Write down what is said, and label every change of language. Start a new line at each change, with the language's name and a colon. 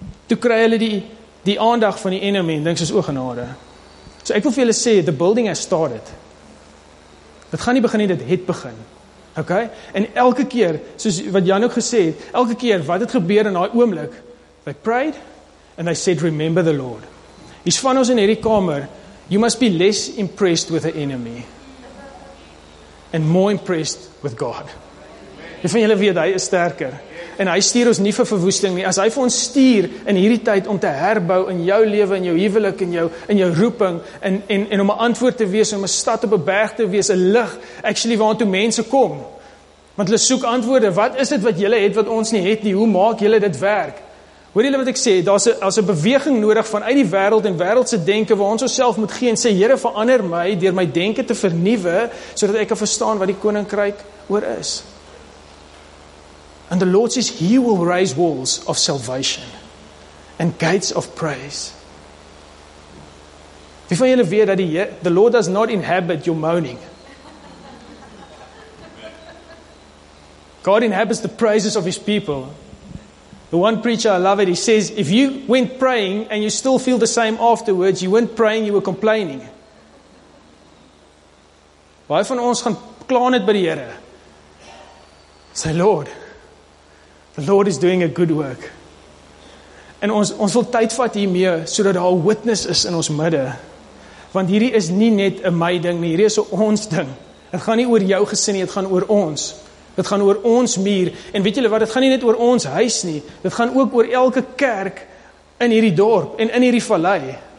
Afrikaans: Toe kry hulle die aandag van die enemy en dink soos ogenade. So ek wil vir julle sê,
English: the building has started.
Afrikaans: Dit gaan nie begin nie, dit het begin. OK? En elke keer, soos wat Jan ook gesê het, elke keer wat het gebeur in daai oomblik,
English: they prayed and they said, remember the Lord.
Afrikaans: Hier van ons in hierdie kamer,
English: you must be less impressed with the enemy and more impressed with God.
Afrikaans: Jy van julle weet, hy is sterker. En hy stuur ons nie vir verwoesting nie. As hy vir ons stuur in hierdie tyd om te herbou in jou lewe, in jou huwelik, in jou roeping, en om 'n antwoord te wees, om 'n stad op 'n berg te wees, 'n lig, actually waartoe mense kom. Want hulle soek antwoorde. Wat is dit wat julle het wat ons nie het nie? Hoe maak julle dit werk? Hoor julle wat ek sê? Daar's 'n beweging nodig vanuit die wêreld en wêreldse denke waar ons onsself moet gee en sê, Here, verander my deur my denke te vernuwe sodat ek kan verstaan wat die koninkryk oor is.
English: And the Lord says, he will raise walls of salvation and gates of praise.
Afrikaans: Wie van julle weet dat
English: the Lord does not inhabit your moaning. God inhabits the praises of his people. The one preacher, I love it, he says, if you went praying and you still feel the same afterwards, you weren't praying, you were complaining.
Afrikaans: Baie van ons gaan kla net by die Here.
English: Say, Lord, the Lord is doing a good work.
Afrikaans: En ons wil tyd vat hiermee sodat daar 'n witness is in ons midde. Want hierdie is nie net 'n my ding nie, hierdie is 'n ons ding. Dit gaan nie oor jou gesin nie, dit gaan oor ons. Dit gaan oor ons muur en weet julle wat, dit gaan nie net oor ons huis nie. Dit gaan ook oor elke kerk in hierdie dorp en in hierdie vallei.